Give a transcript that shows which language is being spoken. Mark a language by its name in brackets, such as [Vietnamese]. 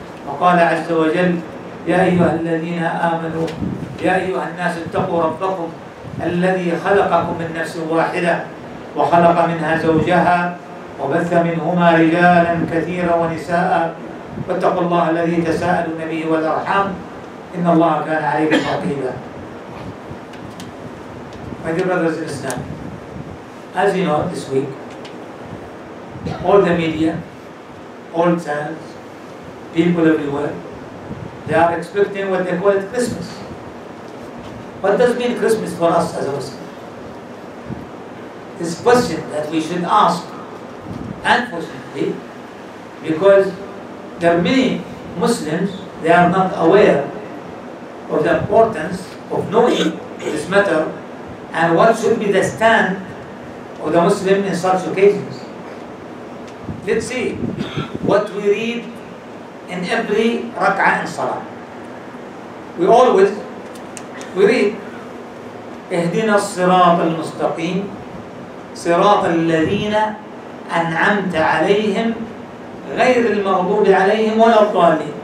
[Arabic] وقال عز وجل: يا أيها الذين آمنوا، يا أيها الناس اتقوا ربكم الذي خلقكم من نفس واحدة وخلق منها زوجها وبث منهما رجالا كثيرا ونساء، واتقوا الله الذي تساءلون به والأرحام، إن الله كان عليكم رقيبا. [English] My dear brothers in Islam, as you know, this week all the media, all channels, people everywhere, they are expecting what they call it Christmas. What does mean Christmas for us as a Muslim? This question that we should ask, unfortunately, because there are many Muslims, they are not aware of the importance of knowing this matter and what should be the stand of the Muslim in such occasions. Let's see what we read in every rak'ah in salah. We always, we read, [Arabic] اهدنا الصراط المستقيم صراط الذين أنعمت عليهم غير المغضوب عليهم ولا الضالين.